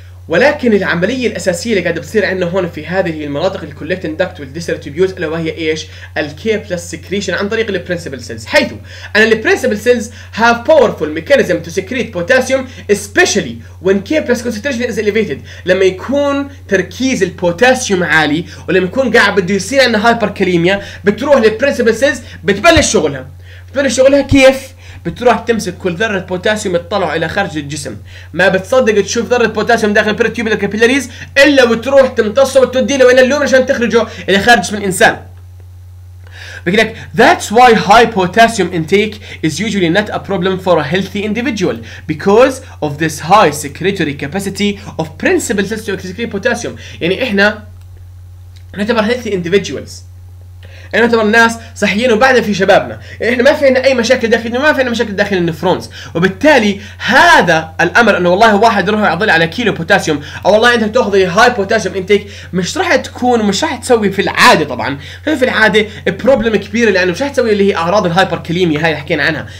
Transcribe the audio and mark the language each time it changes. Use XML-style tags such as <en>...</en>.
<ar>ولكن العملية الأساسية اللي قاعدة بتصير عندنا هون في هذه المناطق الـ collecting duct والـ distributes اللي وهي إيش؟ الـ K plus secretion عن طريق الـ</ar> <en>principal cells، حيث أن الـ principal cells have powerful mechanism to secrete potassium especially when K plus concentration is elevated،</en> <ar>لما يكون تركيز البوتاسيوم عالي ولما يكون قاعد بده يصير عندنا هايبركاليميا بتروح للـ principal cells بتبلش شغلها. بتبلش شغلها كيف؟ بتروح تمسك كل ذرة بوتاسيوم تطلع إلى خارج الجسم، ما بتصدق تشوف ذرة بوتاسيوم داخل البريتيوب الكابيلاريز إلا وتروح تمتصه وتودي له وين اللوم عشان تخرجه إلى خارج من الإنسان. بقول لك</ar> <en>that's why high potassium intake is usually not a problem for a healthy individual because of this high secretory capacity of principal cells to secrete potassium.</en> <ar>يعني إحنا نعتبر</ar> <en>healthy individuals،</en> <ar>احنا نعتبر الناس صحيين وبعدنا في شبابنا، احنا ما في عندنا اي مشاكل داخل، ما في عندنا مشاكل داخل النفرونز، وبالتالي هذا الامر انه والله واحد يروح يعضل على كيلو بوتاسيوم او والله انت تاخذ هاي بوتاسيوم انتيك مش راح تكون، مش راح تسوي في العاده طبعا، في العاده بروبلم كبير لانه مش راح تسوي اللي هي اعراض الهايبركاليميا هاي اللي حكينا عنها.</ar>